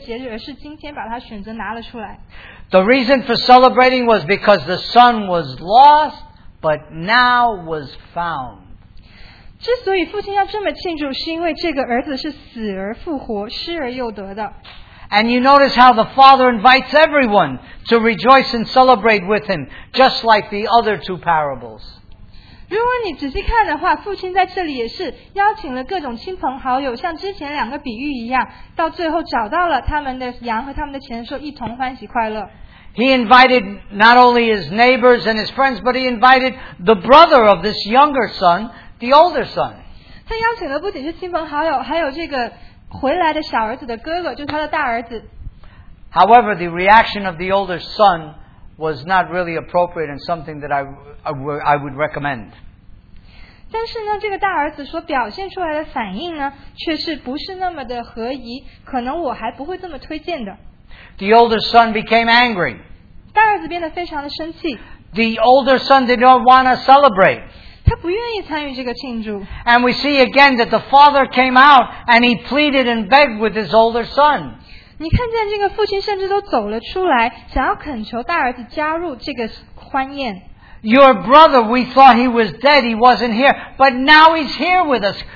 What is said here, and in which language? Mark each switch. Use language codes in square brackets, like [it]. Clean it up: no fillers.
[zh] 圣经里面也说了,也很确切地表明了为什么父亲是把那个肥牛肚没有留在特别的节日,而是今天把它选择拿了出来。 [en] The reason for celebrating was because the son was lost, but now was found. [zh] 之所以父亲要这么庆祝, 是因为这个儿子是死而复活, 失而又得的。 [en] And you notice how the father invites everyone to rejoice and celebrate with him, just like the other two parables. [zh] 如果你仔细看的话, 父亲在这里也是邀请了各种亲朋好友, 像之前两个比喻一样, 到最后找到了他们的羊和他们的钱的时候, 一同欢喜快乐。 [en] He invited not only his neighbors and his friends, but he invited the brother of this younger son, the older son. [zh] 他邀请了不仅是亲朋好友, 还有这个回来的小儿子的哥哥, 就是他的大儿子。 [en] However, the reaction of the older son was not really appropriate and something that I would recommend. [zh] 但是呢,这个大儿子所表现出来的反应呢,却是不是那么的合宜,可能我还不会这么推荐的。 [en] The older son became angry. [zh] 大儿子变得非常的生气。 [en] The older son did not want to celebrate. [zh] 他不愿意参与这个庆祝。 [en] And we see again that the father came out and he pleaded and begged with his older son. [zh] 你看见这个父亲甚至都走了出来,想要恳求大儿子加入这个欢宴。 [en] Your brother, we thought he was dead, he wasn't here, but now he's here with us.